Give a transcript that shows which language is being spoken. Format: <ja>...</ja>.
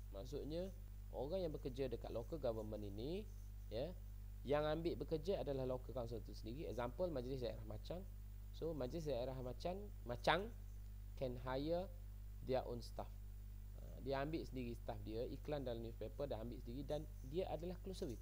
<ms>Maksudnya orang yang bekerja dekat local government ini, ya, yang ambil bekerja adalah local council itu sendiri.</ms> <en>Example, Majlis Daerah Macang. So, Majlis Daerah Macang can hire their own staff.</en> <ms>Dia ambil sendiri staff dia, iklan dalam newspaper dan ambil sendiri, dan dia adalah close service.</ms>